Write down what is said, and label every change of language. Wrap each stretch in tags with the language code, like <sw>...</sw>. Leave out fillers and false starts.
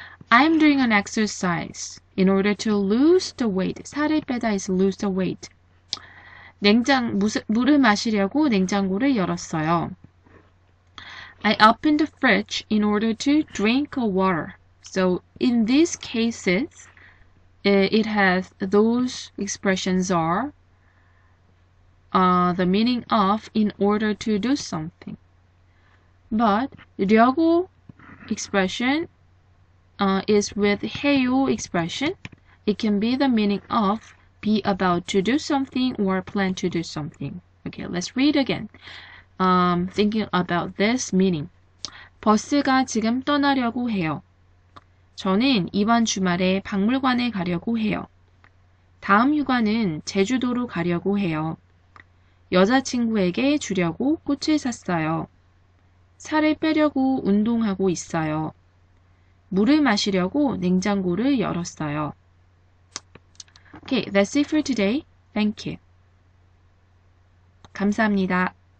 <en>I'm doing an exercise in order to lose the weight.</en> <ko>살을 빼다</ko> <en>is lose the weight.</en> <ko>물을 마시려고 냉장고를 열었어요.</ko> <en>I opened the fridge in order to drink water. So in these cases, it has those expressions are the meaning of in order to do something. But 려고 expression is with 해요 expression. It can be the meaning of be about to do something or plan to do something. Okay, let's read again. Thinking about this meaning.</en> <ko>버스가 지금 떠나려고 해요. 저는 이번 주말에 박물관에 가려고 해요. 다음 휴가는 제주도로 가려고 해요. 여자친구에게 주려고 꽃을 샀어요. 살을 빼려고 운동하고 있어요. 물을 마시려고 냉장고를 열었어요.</ko> <en>Okay, that's it for today. Thank you.</en> <ko>감사합니다.</ko>